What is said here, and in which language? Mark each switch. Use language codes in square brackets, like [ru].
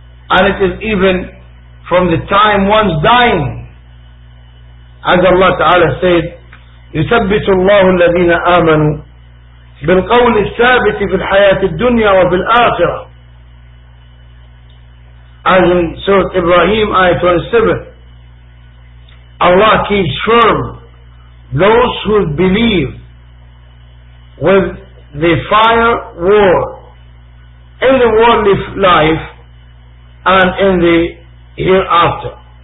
[en] And it is even from the time one's dying. As Allah Ta'ala said, [ar] يُثَبِّتُ اللَّهُ الَّذِينَ آمَنُوا بِالْقَوْلِ الثَّابِتِ فِي الْحَيَاةِ الدُّنْيَا وَفِي الْآخِرَةِ. [en] As in Surah Ibrahim, Ayah 27, Allah keeps firm those who believe with the fire war in the worldly life and in the hereafter.